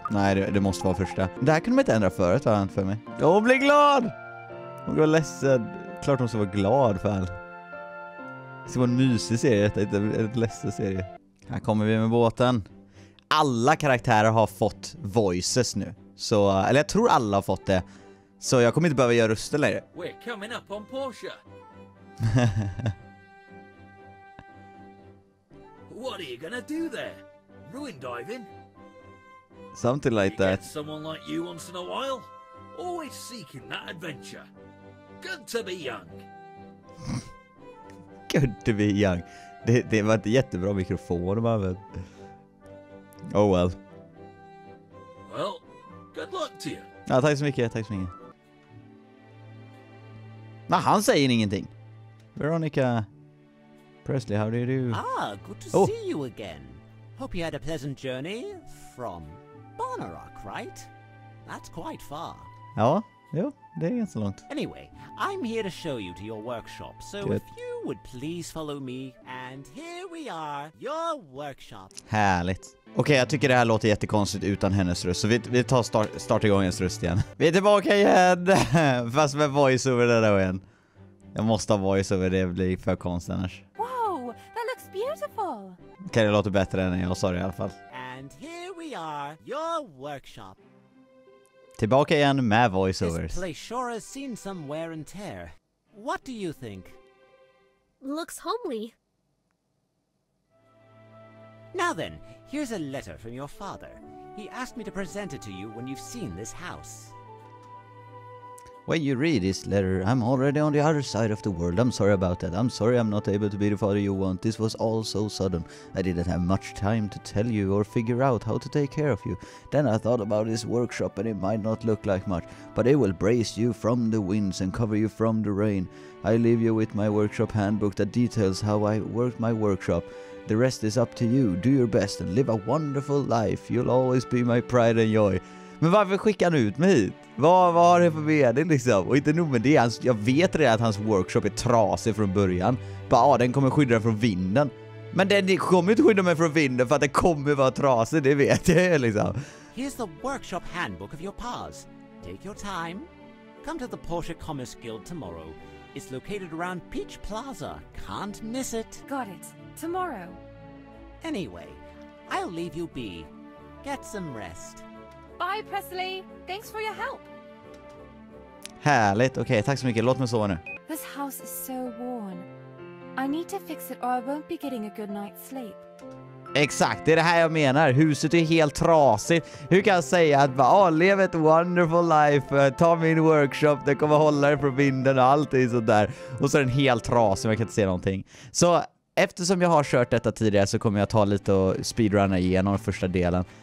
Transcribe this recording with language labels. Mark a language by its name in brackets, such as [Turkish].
[Swedish] Nej, det måste vara första. Det här kunde man inte ändra förut, har han för mig. Hon blir glad! Hon går ledsen. Klart hon ska vara glad för allt. Det ska vara en mysig serie, det är inte en ledsen serie. Här kommer vi med båten. Alla karaktärer har fått voices nu. Så, eller jag tror alla har fått det. Så jag kommer inte behöva göra röster längre. [English] We're coming up on Portia. What are you gonna do there? Ruin diving? Something like that. You get someone like you once in a while. Always seeking that adventure. Good to be young. Good to be young. [Swedish] Det var inte jättebra mikrofon, men... [English] Oh well. Well... Good luck to you. [Swedish] Ja, tack så mycket. Nej, han säger ingenting. Veronica Presley, [English] how do you do? Good to see you again. Hope you had a pleasant journey from Barnarock, right? That's quite far. [Swedish] Ja, det är ganska långt. [English] Anyway, I'm here to show you to your workshop. So good. If you would please follow me and here we are, your workshop. [Swedish] Härligt. Okej, jag tycker det här låter jättekonstigt utan hennes röst. Så vi tar start igång hennes röst igen. Vi är tillbaka igen! Fast med voiceover där då igen. Jag måste ha voiceover, det blir för konstigt annars. [English] Wow, that looks beautiful! [Swedish] Okej, det låter bättre än jag sa det i alla fall. [English] And here we are, your workshop. [Swedish] Tillbaka igen med voiceovers. [English] This place sure has seen some wear and tear. What do you think? Looks homely. Now then, here's a letter from your father. He asked me to present it to you when you've seen this house. When you read this letter, I'm already on the other side of the world. I'm sorry about that. I'm sorry I'm not able to be the father you want. This was all so sudden. I didn't have much time to tell you or figure out how to take care of you. Then I thought about this workshop and it might not look like much, but it will brace you from the winds and cover you from the rain. I leave you with my workshop handbook that details how I work my workshop. The rest is up to you. Do your best and live a wonderful life. You'll always be my pride and joy. [Swedish] Men varför skickar han ut mig hit? Vad har det för mening liksom? Och inte nog med det. Jag vet redan att hans workshop är trasig från början. Den kommer skydda mig från vinden. Men den kommer inte skydda mig från vinden för att det kommer vara trasig. Det vet jag liksom. [English] Here's the workshop handbook of your paws. Take your time. Come to the Porsche Commerce Guild tomorrow. It's located around Peach Plaza. Can't miss it. Got it. Tomorrow. Anyway, I'll leave you be. Get some rest. Bye, Presley. Thanks for your help. [Swedish] Härligt. Okej, tack så mycket. Låt mig sova nu. [English] This house is so worn. I need to fix it or I won't be getting a good night's sleep. [Swedish] Exakt, det är det här jag menar. Huset är helt trasigt. Hur kan jag säga att bara, leva ett [English] wonderful life, [Swedish] ta min workshop, det kommer hålla dig från vinden och allting sådär. Och så är den helt trasig, jag kan inte se någonting. Så eftersom jag har kört detta tidigare så kommer jag ta lite och speedrunna igenom första delen.